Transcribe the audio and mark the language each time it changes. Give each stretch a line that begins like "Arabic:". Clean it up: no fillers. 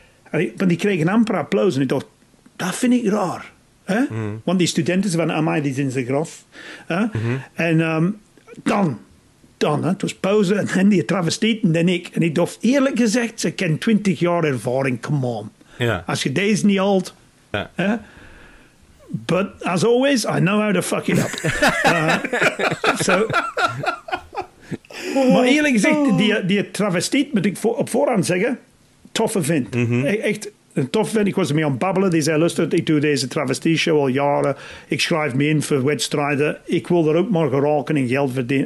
Dutch: Want die kregen amper applaus. En ik dacht, dat vind ik raar. Want die studenten zijn van, amai, die zijn ze grof. En dan, het was pauze. En dan die travestiet en dan ik. En ik dacht, eerlijk gezegd, ze ken 20 jaar ervaring.
English: Come on. Yeah.
Dutch: Als je deze niet haalt.
English: Yeah. But as always, I know how to fuck it up.
Dutch: Maar eerlijk gezegd, die travestiet moet ik op voorhand zeggen, toffe vent. Echt een toffe vent. Ik was ermee aan babbelen. Die zei, luister, ik doe deze travestie-show al jaren. Ik schrijf me in voor wedstrijden. Ik wil er ook maar geraken en geld verdienen.